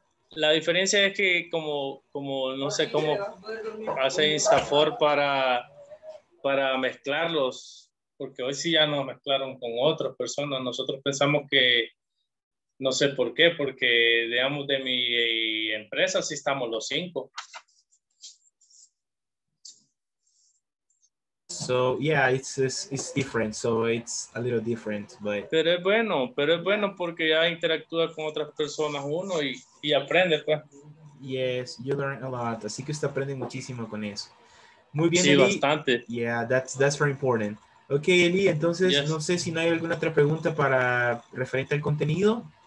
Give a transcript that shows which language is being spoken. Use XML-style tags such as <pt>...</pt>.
<es>La diferencia es que como no sé cómo hace Instafor para mezclarlos, porque hoy sí ya nos mezclaron con otras personas. Nosotros pensamos que, no sé por qué, porque digamos de mi empresa sí estamos los 5.</es> <en>So, yeah, it's different, so it's a little different, but...</en> <es>Pero es bueno porque ya interactúa con otras personas uno y aprende, pues.</es> <en>Yes, you learn a lot,</en> <es>así que usted aprende muchísimo con eso. Muy bien, sí, Eli. Bastante.</es> <en>Yeah, that's very important. Okay, Eli,</en> <es>entonces,</es> <en>yes.</en> <es>No sé si no hay alguna otra pregunta para referente al contenido.</es>